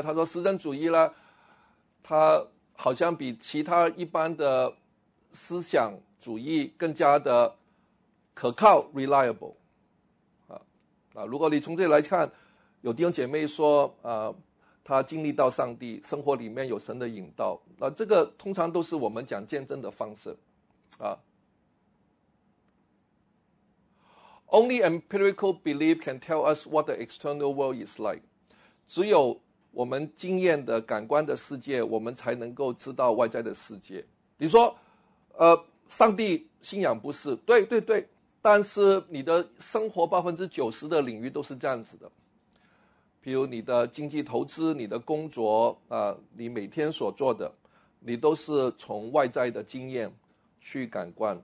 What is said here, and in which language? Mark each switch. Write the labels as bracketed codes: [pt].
[zh] 他说实证主义呢，它好像比其他一般的思想主义更加的可靠 reliable 啊。如果你从这里来看，有弟兄姐妹说他经历到上帝，生活里面有神的引导，那这个通常都是我们讲见证的方式啊。 [en] Only empirical belief can tell us what the external world is like. [zh] 只有我们经验的感官的世界，我们才能够知道外在的世界。你说上帝信仰不是，对对对，但是你的生活 90% 的领域都是这样子的。比如你的经济投资，你的工作你每天所做的，你都是从外在的经验去感官。